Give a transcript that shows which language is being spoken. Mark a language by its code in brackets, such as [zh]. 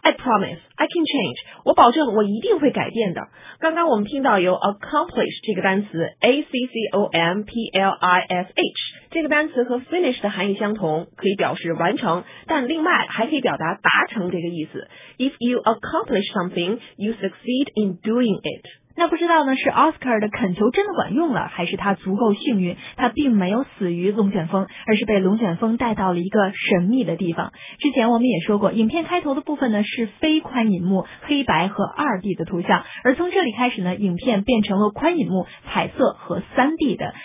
[en] I promise, I can change. [zh] 我保证，我一定会改变的。刚刚我们听到有 accomplish 这个单词 ，accomplish。” 这个单词和 finish 的含义相同，可以表示完成，但另外还可以表达达成这个意思。 [en] If you accomplish something, you succeed in doing it. [zh] 那不知道呢，是 Oscar 的恳求真的管用了，还是他足够幸运，他并没有死于龙卷风，而是被龙卷风带到了一个神秘的地方。之前我们也说过，影片开头的部分呢是非宽银幕、黑白和 2D 的图像，而从这里开始呢，影片变成了宽银幕、彩色和 3D 的。